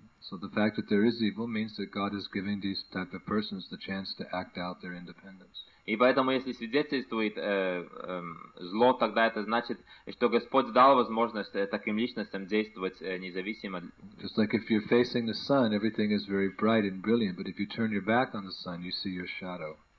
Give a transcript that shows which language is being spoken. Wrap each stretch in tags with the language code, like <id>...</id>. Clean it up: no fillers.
<en>So the fact that there is evil means that God is giving these type of persons the chance to act out their independence.</en> <ru>И поэтому, если свидетельствует зло, тогда это значит, что Господь дал возможность таким личностям действовать независимо.</ru> <en>Just like if you're facing the sun, everything is very bright and brilliant, but if you turn your back on the sun, you see your shadow.</en>